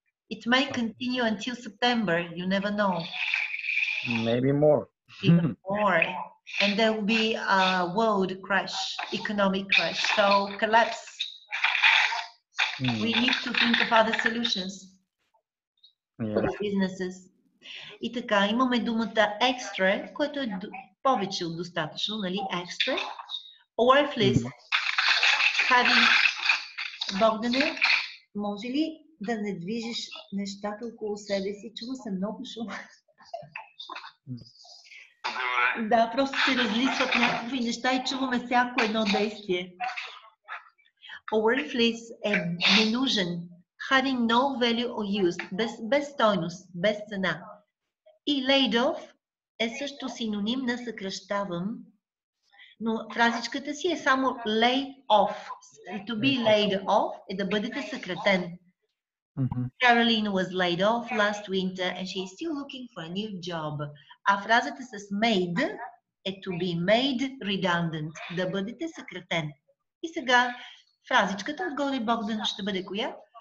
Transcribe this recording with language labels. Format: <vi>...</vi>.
<en>It may continue until September, you never know. Maybe more. Even more. And there will be a world crash, economic crash. So, collapse. We need to think of other solutions for the businesses.</en> <bg>И така, имаме думата extra, което е повече от достатъчно, нали?</bg> <en>Extra. Worthless. Having...</en> <bg>Богдане, може ли да не движиш нещата около себе си? Чува се много шум. Добре. Да, просто се разлисват някакви неща и чуваме всяко едно действие.</bg> <en>Worthless</en> <bg>е ненужен.</bg> <en>Having no value or use.</en> <bg>Без стойност, без цена. И laid off е също синоним на съкръщавам. Но фразичката си е само lay off. To be laid off е да бъдете съкратен.</bg> <en>Mm-hmm. Caroline was laid off last winter and she is still looking for a new job.</en> <bg>А фразата с made е to be made redundant. Да бъдете съкратен. И сега фразичката отгоре, Богдан, ще бъде коя?</bg>